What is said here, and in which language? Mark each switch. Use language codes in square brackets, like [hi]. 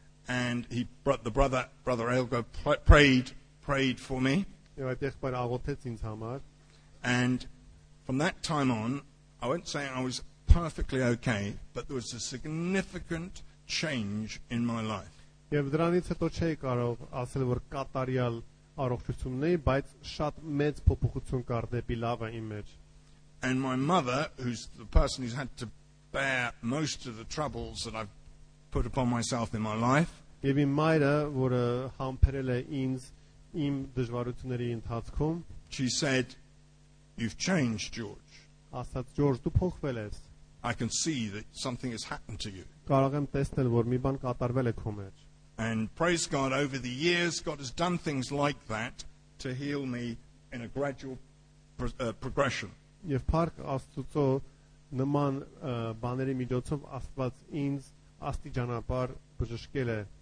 [en] And he brought the brother Elgar prayed for me. And from that time on, I won't say I was perfectly okay, but there was a significant change in my life. [hy] Եվ դրանից հետո չէի կարող ասել, որ կատարյալ առողջությունն էի, բայց շատ մեծ փոփոխություն կար դեպի լավը իմ մեջ։ [en] And my mother, who's the person who's had to bear most of the troubles that I've put upon myself in my life. [hy] Եվ իմ մայրը, որը համբերել է ինձ իմ դժվարությունների ընթացքում, [en] she said, you've changed, George. [hy] Ասաց, George, դու փոխվել ես. [en] I can see that something has happened to you. [hy] Կարող եմ տեսնել, որ մի բան կատարվել է քո մեջ. [en] And praise God, over the years, God has done things like that to heal me in a gradual progression. [hy] Եվ փառք Աստծո նման բաների միջոցով Աստված ինձ աստիճանաբար բժշկել է.